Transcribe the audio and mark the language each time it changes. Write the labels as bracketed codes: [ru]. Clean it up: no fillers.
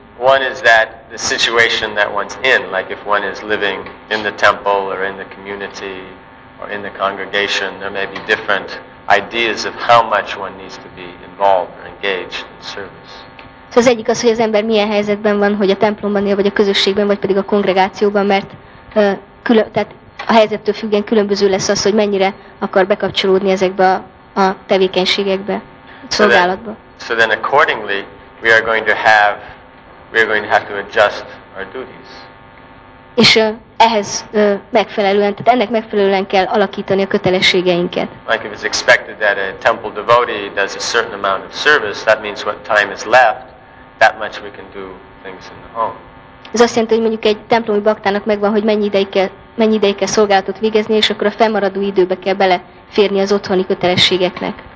[en] One is that the situation that one's in, like if one is living in the temple or in the community, or in the congregation, there may be different ideas of how much one needs to be involved or engaged in service. [hu] So az egyik az, hogy az ember milyen helyzetben van, hogy a templomban él, vagy a közösségben, vagy pedig a kongregációban, mert tehát a helyzettől függően különböző lesz az, hogy mennyire akar bekapcsolódni ezekbe a tevékenységekbe, szolgálatba. [en] So then accordingly, we are going to have to adjust our duties. [hu] És ehhez megfelelően, tehát ennek megfelelően kell alakítani a kötelességeinket. [en] Like if it's expected that a temple devotee does a certain amount of service, that means what time is left, that much we can do things in the home. [hu] Ez azt jelenti, hogy mondjuk egy templomi baktának megvan, hogy mennyi ideig kell szolgálatot végezni, és akkor a fennmaradó időbe kell beleférni az otthoni kötelességeknek.